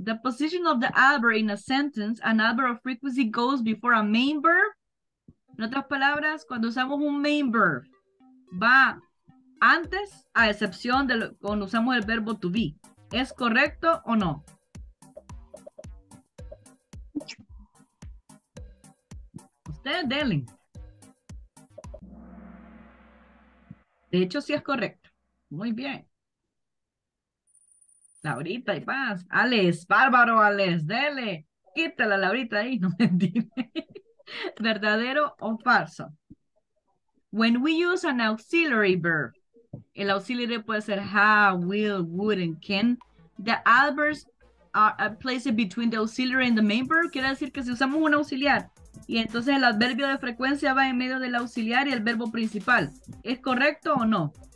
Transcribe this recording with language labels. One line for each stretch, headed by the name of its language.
English: The position of the adverb in a sentence, an adverb of frequency goes before a main verb.
Spanish: En otras palabras, cuando usamos un main verb, va antes, a excepción de cuando usamos el verbo to be. ¿Es correcto o no? De hecho, sí es correcto. Muy bien. Laurita y paz. Alex, bárbaro, Alex, dele. Quítala, Laurita, ahí, no me entiendes. ¿Verdadero o falso?
English: When we use an auxiliary verb,
Spanish: el auxiliary puede ser
English: have, will, would, and can, the adverbs are placed between the auxiliary and the main verb.
Spanish: Quiere decir que si usamos un auxiliar, y entonces el adverbio de frecuencia va en medio del auxiliar y el verbo principal. ¿Es correcto o no?